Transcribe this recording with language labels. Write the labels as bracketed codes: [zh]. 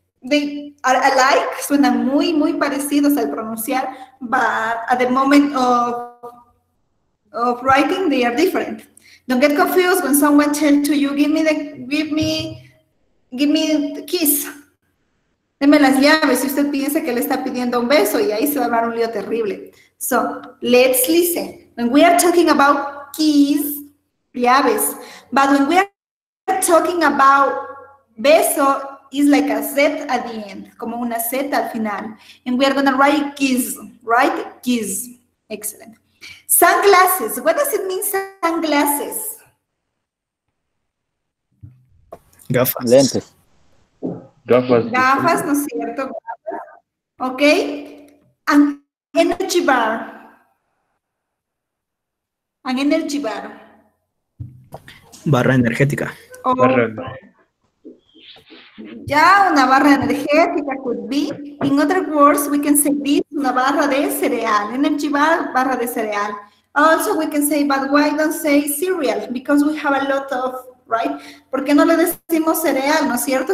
[en] They are alike, [es] suenan muy, muy parecidos al pronunciar, [en] but at the moment of writing, they are different. Don't get confused when someone tells to you, give me the keys. [es] Deme las llaves, si usted piensa que le está pidiendo un beso, y ahí se va a dar un lío terrible. [en] So, let's listen. When we are talking about keys, llaves, but when we are talking about beso, it's like a Z at the end, [es] como una Z al final. [en] And we are going to write keys, right? Keys. Excellent. Sunglasses. What does it mean, sunglasses? [es] Gafas. Lentes. Gafas. Gafas, ¿no es cierto? Okay. [en] An energy bar. An energy bar. [es] Barra energética. Oh. Barra. Ya, una barra energética [en] could be. In other words, we can say this, [es] una barra de cereal. Energy bar, barra de cereal. [en] Also, we can say, but why don't say cereal? Because we have a lot of, right? [es] ¿Por qué no le decimos cereal, no es cierto?